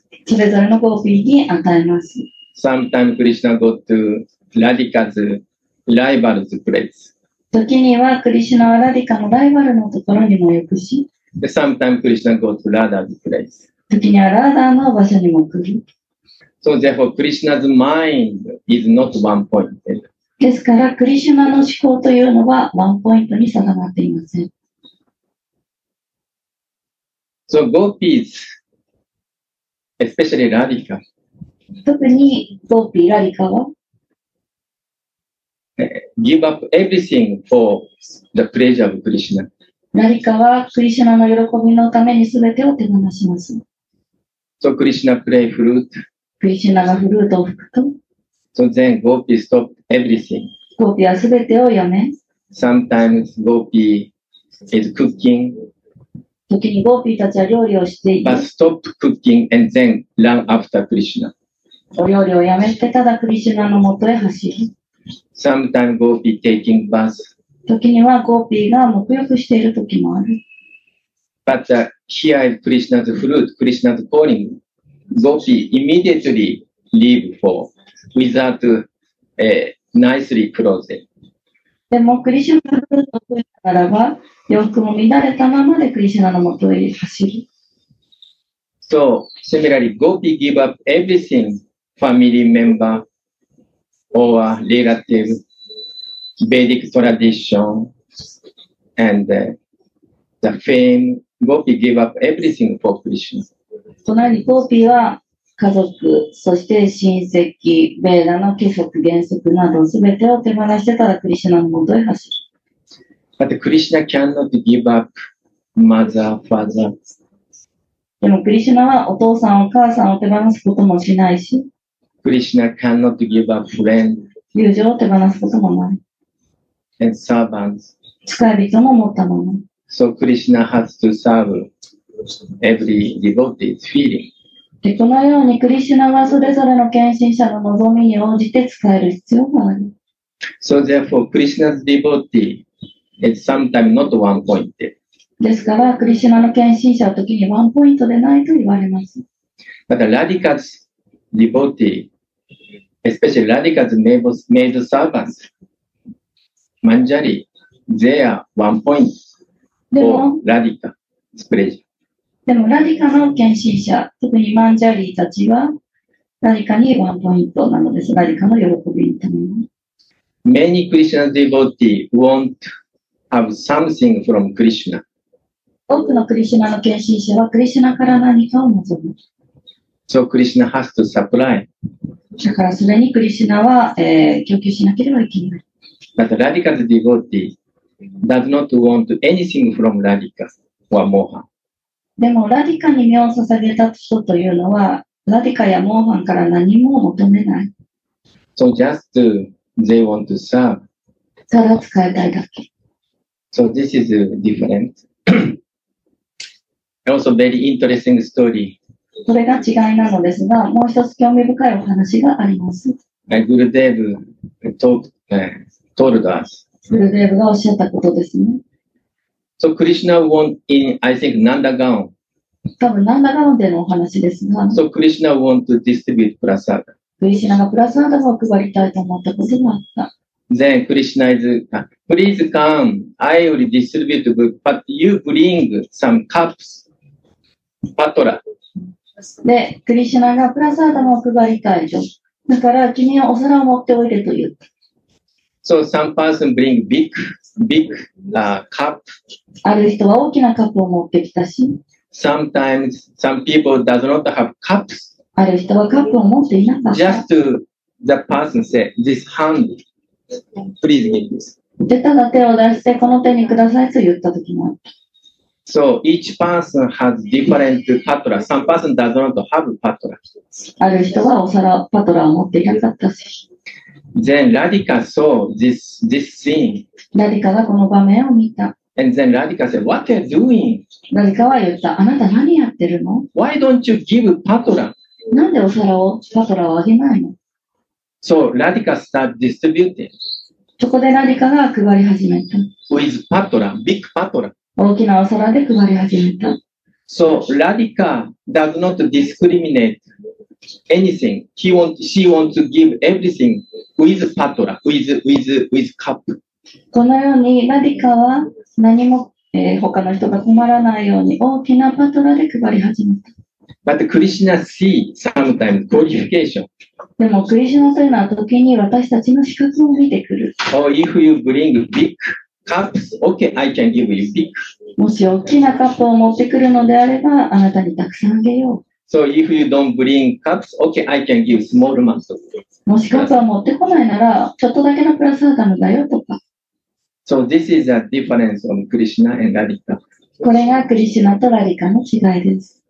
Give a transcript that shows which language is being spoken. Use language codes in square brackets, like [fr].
[ja] それぞれのゴーピーに与えます。 [en] Sometimes Krishna go to Radhika's rival's place. [ja] 時にはクリシュナはラディカのライバルのところにも行くし。 [en] Sometimes Krishna go to Radha's place. [ja] 時にはラーダの場所にも来る。 [en] So therefore, Krishna's mind is not one point. [ja] ですから、クリシュナの思考というのはワンポイントに定まっていません。 [en] So gopis, especially Radhika. [ja] 特にゴーピー、ラリカは [en] Give up everything for the pleasure of Krishna. [ja] ラリカはクリシュナの喜びのために全てを手放します。 [en] So Krishna play flute. [ja] クリシュナがフルートを吹くと [en] So then Gopi stop everything. [ja] ゴーピーは全てをやめ [en] Sometimes Gopi is cooking. [ja] 時にゴーピーたちは料理をしている。 [en] But stop cooking and then run after Krishna. [ja] お料理をやめてただクリシュナのもとへ走り。 [en] Sometimes Gopi taking bath. [ja] 時にはゴーピーが沐浴している時もある。 [en] But here is Krishna's fruit, Krishna's calling. Gopi immediately leave for without nicely clothed. [ja] でもクリシュナの元へならば洋服も乱れたままでクリシュナの元へ走り。 [en] So similarly, Gopi give up everything, family member or relative, Vedic tradition and the fame. Gopi give up everything for Krishna. [ja] となりゴーピーは家族、そして親戚、ベーダの規則、原則など全てを手放してただクリシュナのもとへ走る。 [en] But Krishna cannot give up mother, father. [ja] でもクリシュナはお父さん、お母さんを手放すこともしないし、 [en] Krishna cannot give up friend. [ja] 友情を手放すこともない。 [en] And servants. [ja] 使い人も持ったもの。 [en] So Krishna has to serve every devotee's feeling. [ja] でこのようにクリシュナはそれぞれの献身者の望みに応じて使える必要がある。 [en] So therefore, Krishna's devotee is sometimes not one point. [ja] ですから、クリシュナの献身者は時にワンポイントでないと言われます。 [en] But Radhika's devotee, especially Radhika's maid servants, Manjari, they are one point for Radhika's pleasure. [ja] でもラディカの献身者、特にマンジャリーたちはラディカにワンポイントなのです。ラディカの喜びのために。 [en] Many Krishna devotees want have something from Krishna. [ja] 多くのクリシュナの献身者はクリシュナから何かを望む。 [en] So Krishna has to supply. [ja] だからそれにクリシュナは、供給しなければいけない。 [en] But Radhika's devotee does not want anything from Radhika or Mohan. [ja] でもラディカに身を捧げた人というのはラディカやモーハンから何も求めない。 [en] So just they want to serve. [ja] ただ使いたいだけ。 [en] So this is different. Also very interesting story. [ja] それが違いなのですが、もう一つ興味深いお話があります。 [en] Gurudev told us. [ja] Gurudev がおっしゃったことですね。 [en] So Krishna want in, I think, Nandagaon. [ja] 多分 Nandagaon でのお話ですが。 [en] So Krishna want to distribute prasada. [ja] Krishna がプラサーダを配りたいと思ったこともあった。 [en] Then Krishna is, please come, I will distribute book, but you bring some cups, patra. [ja] で、Krishna がプラサーダを配りたいと。だから君はお皿を持っておいでと言った。 [en] So some person bring big cup. [ja] ある人は大きなカップを持ってきたし。 [en] Sometimes some people does not have cups. [ja] ある人はカップを持っていなかった。 [en] Just to the person say, this hand, please give this. [ja] で、ただ手を出して、この手にくださいと言ったときも。 [en] So each person has different patra. Some person does not have patra. [ja] ある人はお皿、パトラを持っていなかったし。 [en] Then Radhika saw this scene. [ja] Radhika がこの場面を見た。 [en] And then Radhika said, "What are you doing?" [ja] Radhika は言った。あなた何やってるの [en] ？Why don't you give patra? [ja] なんでお皿をパトラをあげないの [en] ？So Radhika started distributing. [ja] そこで Radhika が配り始めた。 [en] With patra, big patra. [ja] 大きなお皿で配り始めた。 [en] So Radhika does not discriminate. Anything. He wants, she wants to give everything with patra, with cup. [ja] このようにラディカは何も、他の人が困らないように大きなパトラで配り始めた。 [en] But Krishna see sometimes qualification. [ja] でもクリシュナというのは時に私たちの資格を見てくる。 [en] Oh, if you bring big cups, okay, I can give you big. [ja] もし大きなカップを持ってくるのであれば、あなたにたくさんあげよう。 [en] So if you don't bring cups, okay, I can give small amounts. [ja] もしカップは持ってこないなら、ちょっとだけのプラスアダムだよとか。 [en] So this is a difference on Krishna and Radhika. [ja] これがクリシュナとラディカの違いです。